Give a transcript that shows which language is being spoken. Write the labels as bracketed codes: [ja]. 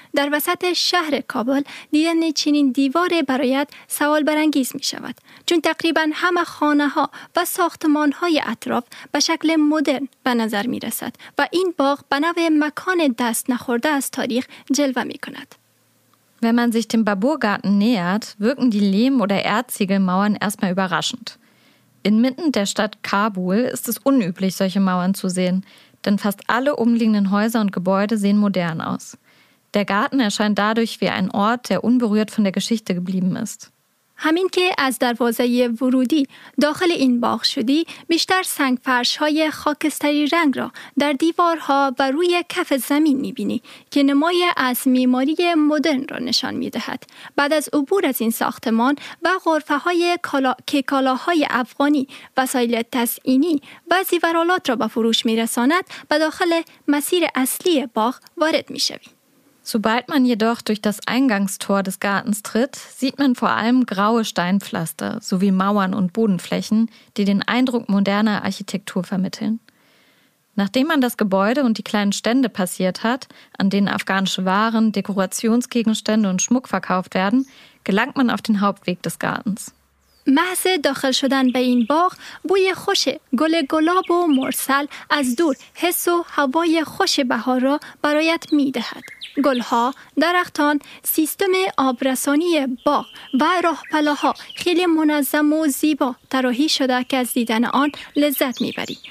[fa] در وسط شهر کابل دیدن چنین دیواری برایت سوال برانگیز میشود. چون تقریبا همه خانه ها و ساختمان های اطراف به شکل مدرن به نظر می رسد و این باغ به نوع مکان دست نخورده از تاریخ جلوه می کند. [de] Wenn man sich dem Baburgarten nähert, wirken die Lehm- oder Erdziegelmauern erstmal überraschend. Inmitten der Stadt Kabul ist es unüblich, solche Mauern zu sehen, denn fast alle umliegenden Häuser und Gebäude sehen modern aus. Der Garten erscheint dadurch wie ein Ort, der unberührt von der Geschichte geblieben ist. [fa] همین که از دروازه ورودی داخل این باغ شدی، بیشتر سنگفرش‌های خاکستری رنگ را در دیوارها و روی کف زمین می‌بینی که نمای از معماری مدرن را نشان می‌دهد. بعد از عبور از این ساختمان و غرفه‌های کالاهای افغانی، وسایل تزئینی و زیورالات را به فروش می‌رساند، به داخل مسیر اصلی باغ وارد می‌شوی. [de] Sobald man jedoch durch das Eingangstor des Gartens tritt, sieht man vor allem graue Steinpflaster sowie Mauern und Bodenflächen, die den Eindruck moderner Architektur vermitteln. Nachdem man das Gebäude und die kleinen Stände passiert hat, an denen afghanische Waren, Dekorationsgegenstände und Schmuck verkauft werden, gelangt man auf den Hauptweg des Gartens. [fa] محض داخل شدن به این باغ بوی خوش گل گلاب و مرسل از دور حس و هوای خوش بهار را برایت می دهد. گلها، درختان، سیستم آبرسانی باغ و راهپله‌ها خیلی منظم و زیبا طراحی شده که از دیدن آن لذت می بری.